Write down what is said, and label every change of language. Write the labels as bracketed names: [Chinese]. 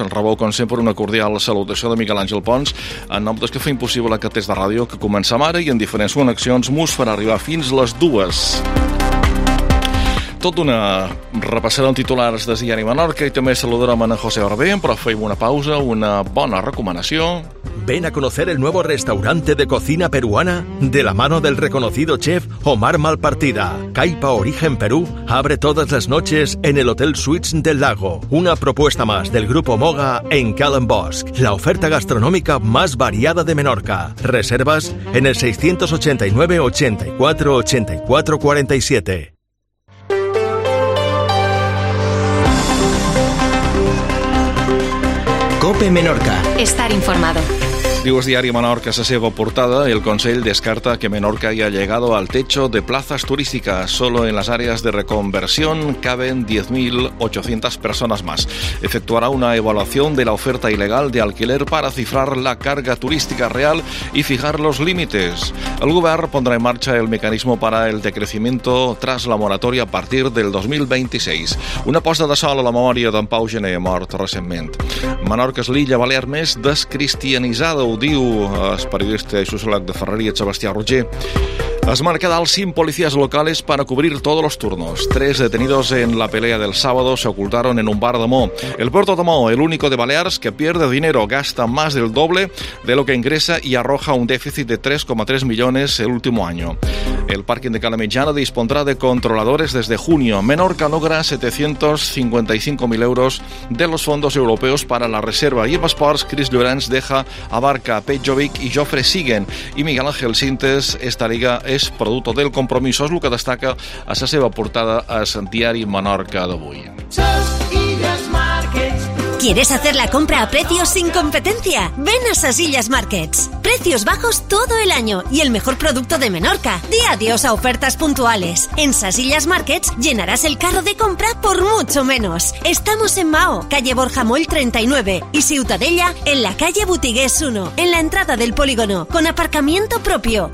[Catalan] En rebeu, com sempre, una cordial salutació de Miquel Àngel Pons en nom dels que fa impossible aquest test de ràdio que comencem ara i en diferents connexions mos farà arribar fins les dues. Tot una repassada amb titulars de Ziani Menorca i també saludarem en José Barbén, però feim una pausa, una bona recomanació. [Spanish] Ven a conocer el nuevo restaurante de cocina peruana de la mano del reconocido chef Omar Malpartida. Caipa Origen Perú abre todas las noches en el Hotel Suites del Lago. Una propuesta más del grupo Moga en Kalmbosk. La oferta gastronómica más variada de Menorca. Reservas en el 689-84-84-47. COPE Menorca. Estar informado. [Catalan] Diu el diari Menorca la seva portada i el Consell descarta que Menorca [Spanish] haya llegado al techo de plazas turísticas. Solo en las áreas de reconversión caben 10.800 personas más. Efectuará una evaluación de la oferta ilegal de alquiler para cifrar la carga turística real y fijar los límites. El govern pondrá en marcha el mecanismo para el decrecimiento tras la moratoria a partir del 2026. [Catalan] Una posta de sol a la memòria d'en Pau Gené, mort recentment. Menorca és l'illa balear més descristianitzada, ho diu el periodista i sociòleg de Ferreria, Sebastià Roger. Es marca dalt 5 policies locals per a cobrir tots els turnos. [Spanish] 3 detenidos en la pelea del sábado se ocultaron en un bar de Mo. El Puerto de Mo, el único de Balears que pierde dinero, gasta más del doble de lo que ingresa y arroja un déficit de 3,3 millones el último año. El parking de Cala Mitjana dispondrá de controladores desde junio. Menorca logra 755.000 euros de los fondos europeos para la reserva. Y en esports, Chris Llorenç deja a Barca, Petjovic y Jofre siguen. Y [Catalan] Miguel Ángel Sintes, [Spanish] esta liga [Catalan] és producte del compromís. És el que destaca a la seva portada a el diari Menorca d'avui. [Spanish] ¿Quieres hacer la compra a precios sin competencia? Ven a Sas Illas Markets. Precios bajos todo el año y el mejor producto de Menorca. Di adiós a ofertas puntuales. En Sas Illas Markets llenarás el carro de compra por mucho menos. Estamos en Mao, calle Borja Moll 39 y Ciutadella en la calle Butigués 1, en la entrada del polígono, con aparcamiento propio.